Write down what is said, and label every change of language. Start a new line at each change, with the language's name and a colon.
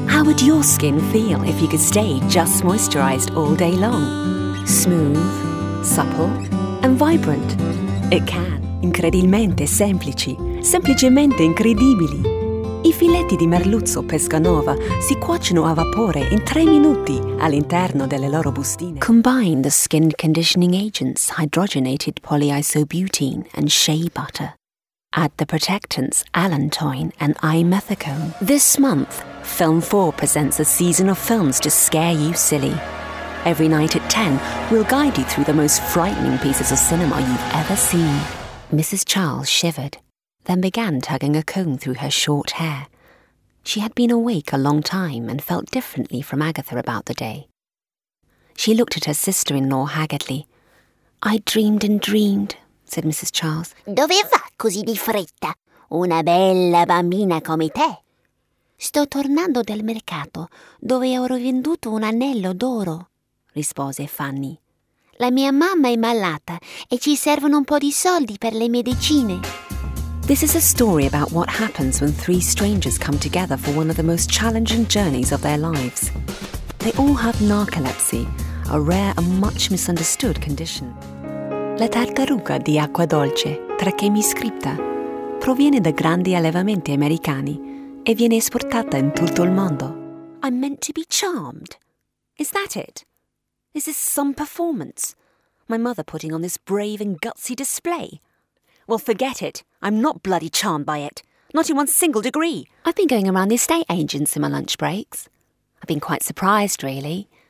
English: would your skin feel if you could stay just moisturized all day long? Smooth, supple, and vibrant. It can.
Italian: Incredibilmente semplici. Semplicemente incredibili. I filetti di merluzzo Pescanova si cuociono a vapore in 3 minuti all'interno delle loro bustine.
English: Combine the skin conditioning agents hydrogenated polyisobutene and shea butter. Add the protectants allantoin and imethicone. This month, Film 4 presents a season of films to scare you silly. Every night at 10, we'll guide you through the most frightening pieces of cinema you've ever seen. Mrs. Charles shivered, then began tugging a comb through her short hair. She had been awake a long time and felt differently from Agatha about the day. She looked at her sister-in-law haggardly. I dreamed and dreamed, said Mrs. Charles.
Italian: Dove va così di fretta? Una bella bambina come te. Sto tornando dal mercato, dove ho rivenduto un anello d'oro, rispose Fanny. La mia mamma è malata e ci servono un po' di soldi per le medicine.
English: This is a story about what happens when three strangers come together for one of the most challenging journeys of their lives. They all have narcolepsy, a rare and much misunderstood condition.
Italian: La tartaruga di acqua dolce, Trachemys scripta, proviene da grandi allevamenti americani e viene esportata in tutto il mondo.
English: I'm meant to be charmed. Is that it? Is this some performance? My mother putting on this brave and gutsy display? Well, forget it. I'm not bloody charmed by it. Not in one single degree. I've been going around the estate agents in my lunch breaks. I've been quite surprised, really.